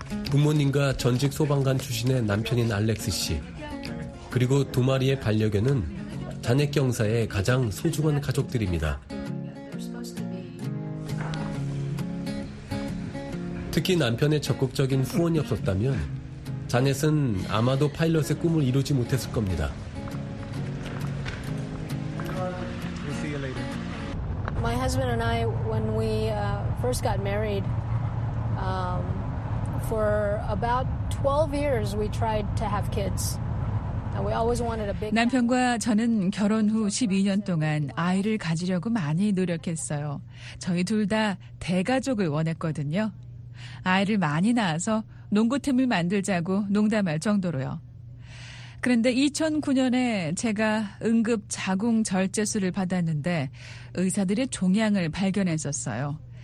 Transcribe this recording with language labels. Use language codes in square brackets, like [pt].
[ko] 부모님과 전직 소방관 출신의 남편인 알렉스 씨, 그리고 두 마리의 반려견은 잔액 경사의 가장 소중한 가족들입니다. 특히 남편의 적극적인 후원이 없었다면 잔액은 아마도 파일럿의 꿈을 이루지 못했을 겁니다. [en] My husband and I, when we first got married, For about 12 years, we tried to have kids. We always wanted a big. [ko] 남편과 저는 결혼 후 12년 동안 아이를 가지려고 많이 노력했어요. 저희 둘 다 대가족을 원했거든요. 아이를 많이 낳아서 농구팀을 만들자고 농담할 정도로요. 그런데 2009년에 제가 응급 자궁 절제술을 받았는데 의사들의 종양을 발견했었어요.